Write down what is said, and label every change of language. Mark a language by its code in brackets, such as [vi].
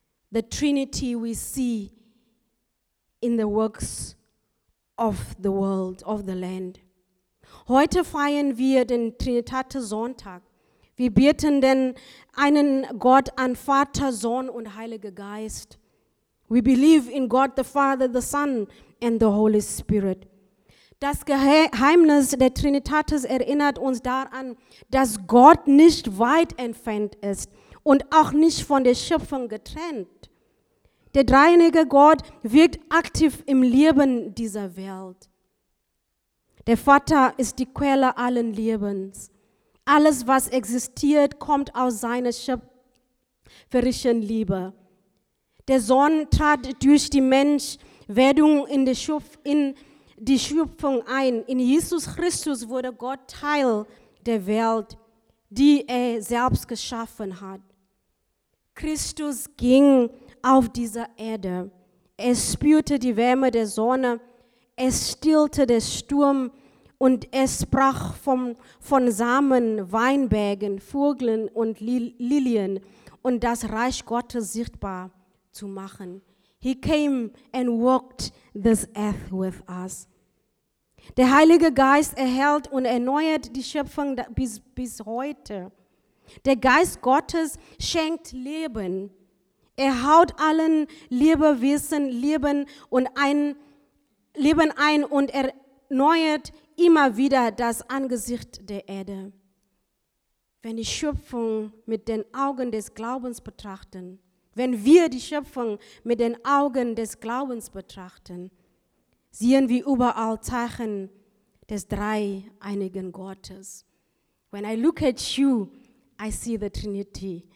[en] The Trinity we see in the works of the world, of the land. [de] Heute feiern wir den Trinitatissonntag. Wir beten den einen Gott an Vater, Sohn und Heiliger Geist. [en] We believe in God the Father, the Son and the Holy Spirit. [de] Das Geheimnis der Trinitatis erinnert uns daran, dass Gott nicht weit entfernt ist und auch nicht von der Schöpfung getrennt. Der dreieinige Gott wirkt aktiv im Leben dieser Welt. Der Vater ist die Quelle allen Lebens. Alles, was existiert, kommt aus seiner schöpferischen Liebe. Der Sohn trat durch die Menschwerdung in die Schöpfung ein. In Jesus Christus wurde Gott Teil der Welt, die er selbst geschaffen hat. Christus ging auf dieser Erde. Er spürte die Wärme der Sonne, es stillte den Sturm und es sprach von Samen, Weinbergen, Vögeln und Lilien und das Reich Gottes sichtbar zu machen. [en] He came and walked this earth with us. [de] Der Heilige Geist erhält und erneuert die Schöpfung bis heute. Der Geist Gottes schenkt Leben. Er haut allen Lebewesen Leben ein und erneuert immer wieder das Angesicht der Erde. Wenn die Schöpfung mit den Augen des Glaubens betrachten, wenn wir die Schöpfung mit den Augen des Glaubens betrachten, sehen wir überall Zeichen des dreieinigen Gottes. [en] When I look at you, I see the Trinity.